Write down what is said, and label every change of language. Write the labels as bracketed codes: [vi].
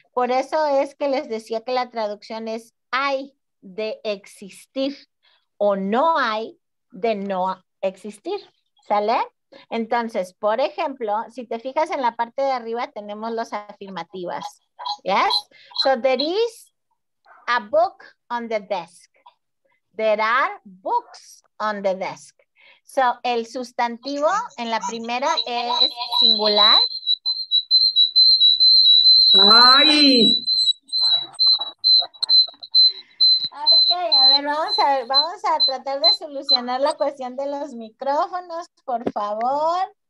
[es] Por eso es que les decía que la traducción es hay de existir o no hay de no existir. ¿Sale? Entonces, por ejemplo, si te fijas en la parte de arriba, tenemos las afirmativas. [en] Yes? So there is a book on the desk. There are books on the desk. [es] So el sustantivo en la primera es singular. ¡Ay! A ver, vamos a tratar de solucionar la cuestión de los micrófonos, por favor.